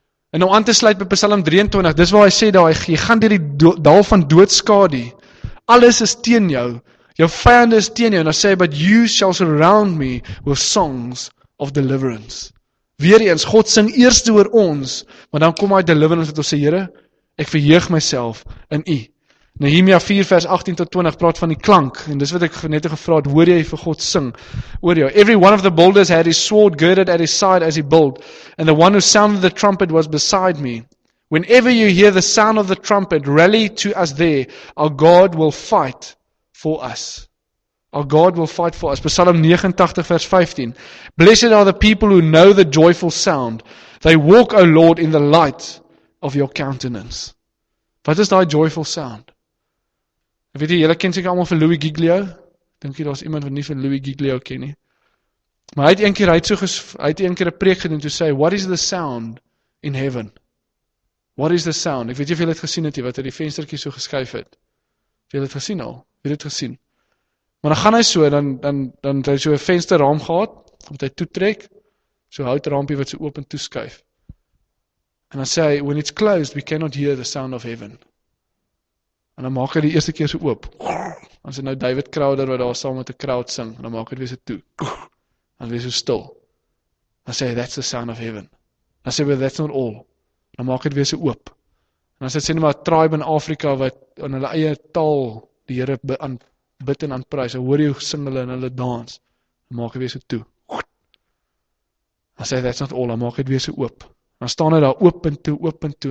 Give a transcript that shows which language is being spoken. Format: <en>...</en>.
<af>En nou aan te sluit by Psalm 23, dis waar hy sê, daar, jy gaan deur die dal van doodskade, alles is teen jou, jou vijand is teen jou, en hy sê,</af> <en>but you shall surround me with songs of deliverance.</en> <af>Weer eens, God sing eers oor ons, maar dan kom hy deliverance, wat ons sê, Here, ek verheug myself in u. Nehemia 4 vers 18 tot 20 praat van die klank, en dis wat ek net gevra het, hoor jy vir God sing oor jou.</af> <en>Every one of the builders had his sword girded at his side as he built, and the one who sounded the trumpet was beside me. Whenever you hear the sound of the trumpet, rally to us there, our God will fight for us. Our God will fight for us. Psalm 89 vers 15, Blessed are the people who know the joyful sound. They walk, O Lord, in the light of your countenance.</en> <af>Wat is die joyful sound? Weet jy, jylle ken seker allemaal vir Louis Giglio? Denk jy, daar is iemand wat nie vir Louis Giglio ken nie? Maar hy het een keer 'n preek gedoen en toe sê,</af> <en>"What is the sound in heaven? What is the sound?"</en> <af>Ek weet jy het dit gesien het jy wat hy die venstertjie so geskuif het. Jy het dit gesien al. Jy het dit gesien. Maar dan gaan hy so dan het hy so 'n vensterraam gehad wat hy toe trek. So houtrampie wat so oop en toeskuif. En dan sê hy,</af> <en>"When it's closed, we cannot hear the sound of heaven."</en> <af>En dan maak hy die eerste keer so oop. Dan sit nou David Crowder wat daar saam met 'n crowd sing en dan maak hy weer so toe. Dan weer so stil. Dan sê hy,</af> <en>"That's the sound of heaven."</en> <af>Dan sê hy,</af> <en>"But that's not all."</en> <af>Dan maak dit weer so oop. En dan sê hulle maar 'n tribe in Afrika wat in hulle eie taal die Here bid en aanprys. Hoor jy hoe sing hulle en hulle dans. Dan maak dit weer so toe. Dan sê hulle,</af> <en>"That's not all."</en> <af>Dan maak dit weer so oop. Dan staan hy daar oop en toe.</af>